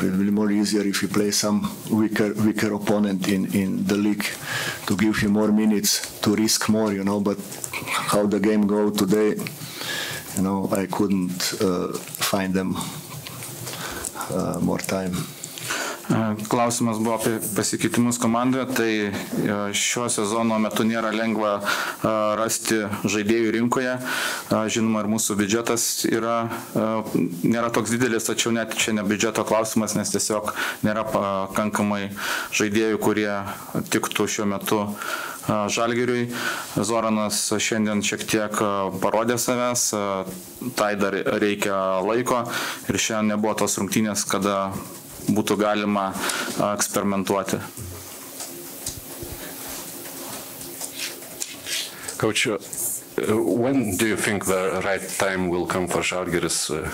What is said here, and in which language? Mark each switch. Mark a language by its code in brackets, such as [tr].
[en] It will be more easier if you play some weaker opponent in the league to give him more minutes, to risk more, you know. But how the game go today, you know, I couldn't find them more time. [lt] Klausimas buvo apie pasikeitimus komandoje, tai šio sezono metu nėra lengva rasti žaidėjų rinkoje. Žinoma, ir mūsų biudžetas yra, nėra toks didelis, tačiau net čia ne biudžeto klausimas, nes tiesiog nėra pakankamai žaidėjų, kurie tiktų šiuo metu Žalgiriui. Zoranas šiandien šiek tiek parodė savęs, tai dar reikia laiko ir šiandien nebuvo tos rungtynės, kada būtų galima eksperimentuoti. [en] Coach, when do you think the right time will come for Žalgiris?